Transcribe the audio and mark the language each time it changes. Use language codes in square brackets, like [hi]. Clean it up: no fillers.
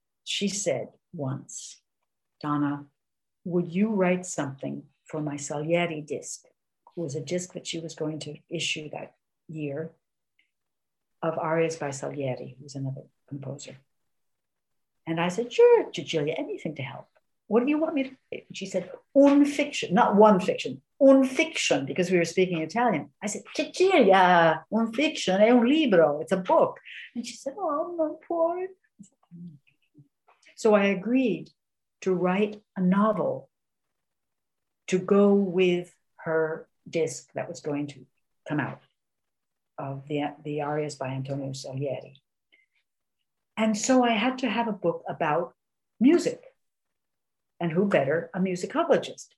[en] She said once, Donna, would you write something for my Salieri disc, who was a disc that she was going to issue that year, of arias by Salieri, who's another composer. And I said, sure, Cecilia, anything to help. What do you want me to do? She said, un fiction, not one fiction, un fiction, because we were speaking Italian. I said, Cecilia, [it] un fiction è un libro, [en] it's a book. And she said, oh, no, poor. So I agreed to write a novel to go with her disc that was going to come out of the arias by Antonio Salieri. And so I had to have a book about music. And who better? A musicologist.